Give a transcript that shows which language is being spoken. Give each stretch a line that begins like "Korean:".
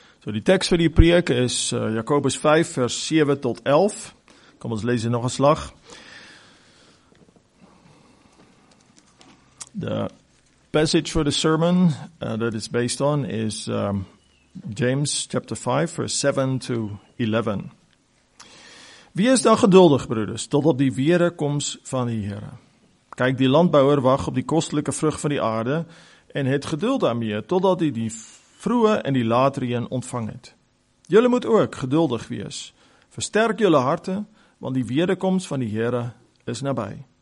Afrikaans: Die tekst vir die preek is Jakobus 5 vers 7 tot 11. Kom ons lees dit nog 'n slag.
English: The passage for the sermon that is based on is James chapter 5 vers 7 to 11.
Afrikaans: Wie is dan geduldig, broeders, tot op die wederkoms van die Here? Kyk, die landbouer wag op die kostelike vrug van die aarde en het geduld daarmee totdat hy die vroeë en die latereën ontvang het. Julle moet ook geduldig wees. Versterk julle harte, want die wederkoms van die Here is naby.